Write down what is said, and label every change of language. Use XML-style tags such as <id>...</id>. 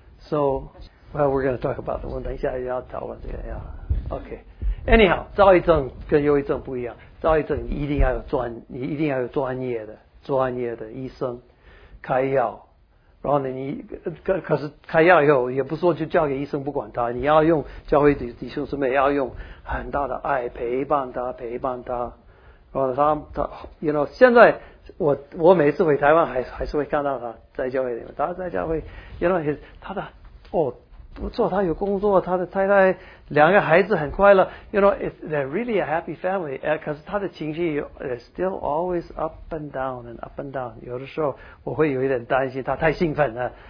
<en>So, well, we're going to talk about the one,</en> <zh>等一下也要讨论这个,</zh> <en>yeah. Okay. Anyhow,</en> <zh>躁郁症跟忧郁症不一样。躁郁症你一定要有专，你一定要有专业的、专业的医生开药。然后呢，你可是开药以后，也不说就交给医生不管他，你要用教会弟兄姊妹要用很大的爱陪伴他，陪伴他。然后他 ，you know， 现在我每次回台湾还是会看到他在教会里面，他在教会 ，you know， 他的哦。不错，他有工作，他的太太两个孩子很快乐。</zh> <en>You know, they're really a happy family.</en> <zh>可是他的情绪</zh> <en>is still always up and down and up and down.</en> <zh>有的时候我会有一点担心，他太兴奋了。</zh>